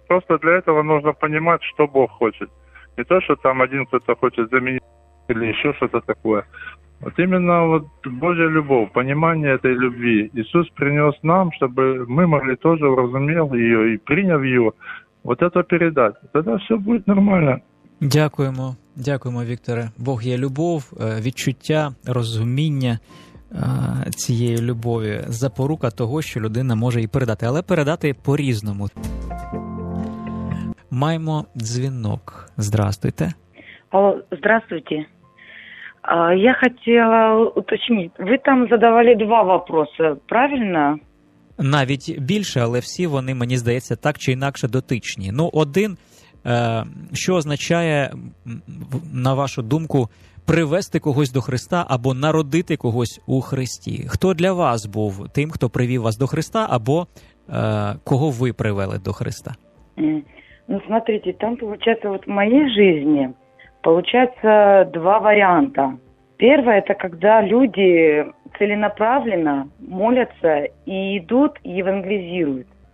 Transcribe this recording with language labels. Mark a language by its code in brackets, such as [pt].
[ru] Просто для этого нужно понимать, что Бог хочет. Не то, что там один кто-то хочет заменить или еще что-то такое. Вот именно вот Божья любовь, понимание этой любви Иисус принес нам, чтобы мы могли тоже уразумел ее и приняв ее, вот это передать. Тогда все будет нормально. [uk] Дякуємо. Дякуємо, Вікторе. Бог є любов, відчуття, розуміння цієї любові. Запорука того, що людина може її передати. Але передати по-різному. Маємо дзвінок. [ru] Здравствуйте. [uk] О, [ru] здравствуйте. [uk] Я хотіла уточнити. Ви там задавали два питання, правильно? Навіть більше, але всі вони, мені здається, так чи інакше дотичні. Ну, один... Що означає, на вашу думку, привести когось до Христа або народити когось у Христі? Хто для вас був тим, хто привів вас до Христа, або кого ви привели до Христа? [ru] Ну, смотрите, там, получается, вот [uk] в моїй житті, [ru] получается, [uk] два варіанти. Перший – [ru] это когда люди целенаправленно [uk] моляться і йдуть, і евангелізують.